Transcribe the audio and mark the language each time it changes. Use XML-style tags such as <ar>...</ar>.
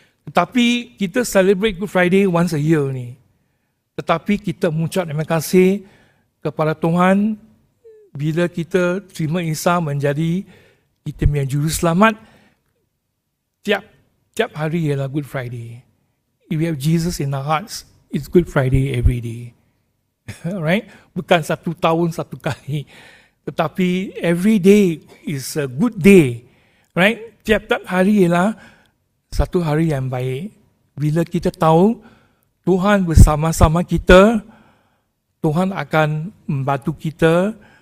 <ms>Tetapi kita</ms> <en>celebrate Good Friday once a year</en> <ms>ni. Tetapi kita mengucap terima kasih kepada Tuhan bila kita terima Isa menjadi kita punya juru selamat. Tiap hari ialah Good Friday.</ms> <en>If we have Jesus in our hearts, it's Good Friday every day. Right?</en> <ms>Bukan satu tahun satu kali.</ms> <en>Tetapi every day is a good day. Right?</en> <ms>Tiap-tiap hari ialah satu hari yang baik. Bila kita tahu Tuhan bersama-sama kita, Tuhan akan membantu kita.</ms>